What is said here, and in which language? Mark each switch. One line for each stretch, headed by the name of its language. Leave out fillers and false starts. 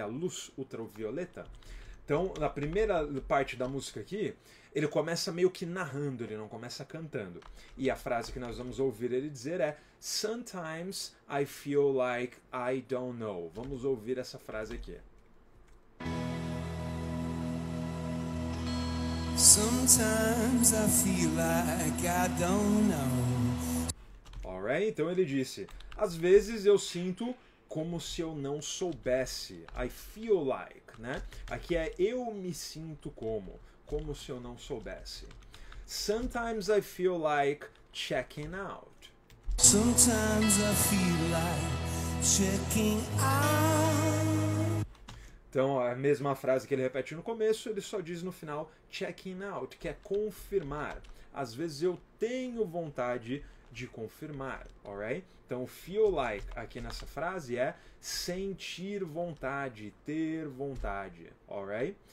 Portuguese: A luz ultravioleta. Então, na primeira parte da música aqui, ele começa meio que narrando, ele não começa cantando. E a frase que nós vamos ouvir ele dizer é Sometimes I feel like I don't know. Vamos ouvir essa frase aqui.
English: Sometimes I feel like I don't know.
Portuguese: Alright, então ele disse: às vezes eu sinto como se eu não soubesse. I feel like, né? Aqui é eu me sinto como se eu não soubesse.
English: Sometimes I feel like checking out. Sometimes I feel like checking out.
Portuguese: Então, a mesma frase que ele repete no começo, ele só diz no final checking out, que é confirmar. Às vezes eu tenho vontade de confirmar, alright? Então, feel like aqui nessa frase é sentir vontade, ter vontade, alright?